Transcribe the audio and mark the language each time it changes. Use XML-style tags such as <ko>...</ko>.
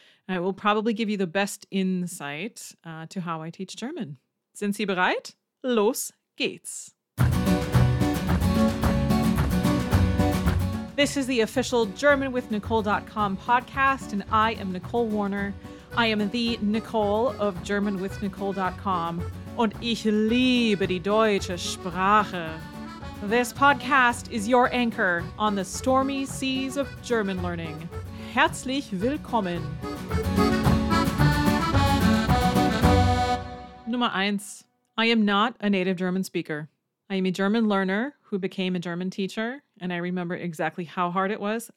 <en>It will probably give you the best insight to how I teach German.</en> <de>Sind Sie bereit? Los geht's!</de> <en>This is the official GermanWithNicole.com podcast, and I am Nicole Warner. I am the Nicole of GermanWithNicole.com,</en> <de>und ich liebe die deutsche Sprache.</de> <en>This podcast is your anchor on the stormy seas of German learning.</en> <de>Herzlich willkommen! Nummer 1.</de> <en>I am not a native German speaker. I am a German learner who became a German teacher, and I remember exactly how hard it was.</en>